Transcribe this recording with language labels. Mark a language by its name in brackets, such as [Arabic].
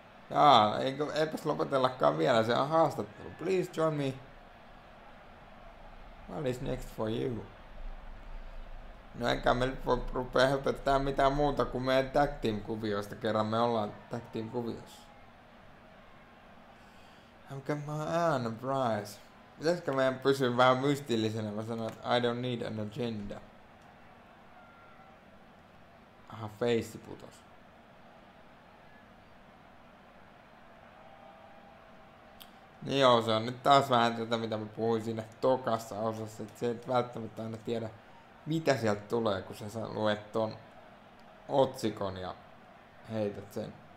[Finnish] Jaa, eipäs lopetellakaan vielä, se on haastattelu. [English] Please join me. What is next for you? [Finnish] No enkä me nyt voi rupea höpöttää mitään muuta kuin meidän tag team kuvioista, kerran me ollaan tag team kuviossa. [English] I've got my eye on the prize. [Finnish] Pitäisikö meidän pysyä vähän mystillisenä, mä sanon, että [English] I don't need an agenda. [Finnish] Aha, face putos. Niin joo, se on nyt taas vähän tätä, mitä mä puhuin siinä tokassa osassa, että se et välttämättä aina tiedä, mitä sieltä tulee, kun sä luet ton otsikon ja heität sen.